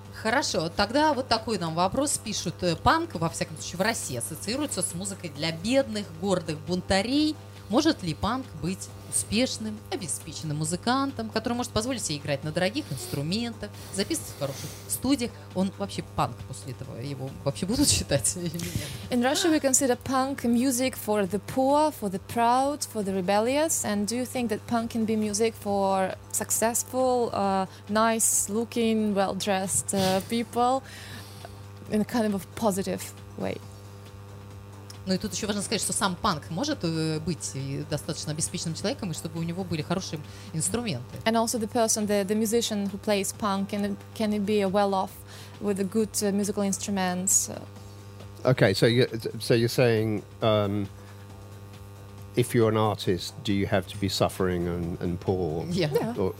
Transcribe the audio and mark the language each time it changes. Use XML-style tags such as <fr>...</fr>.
<ru>Хорошо, тогда вот такой нам вопрос пишут. Панк, во всяком случае, в России ассоциируется с музыкой для бедных, гордых бунтарей. Может ли панк быть успешным, обеспеченным музыкантом, который может позволить себе играть на дорогих инструментах, записываться в хороших студиях? Он вообще панк после этого? Его вообще будут считать или нет?</ru> <en>In Russia we consider punk music for the poor, for the proud, for the rebellious. And do you think that punk can be music for successful, nice-looking, well-dressed people in a kind of positive way?</en> <ru>Ну и тут еще важно сказать, что сам панк может быть достаточно обеспеченным человеком, и чтобы у него были хорошие инструменты.</ru> <en>And also the person, the musician who plays punk, can it be well off with a good musical instruments? Okay, so you're saying if you're an artist, do you have to be suffering and poor? Yeah.</en>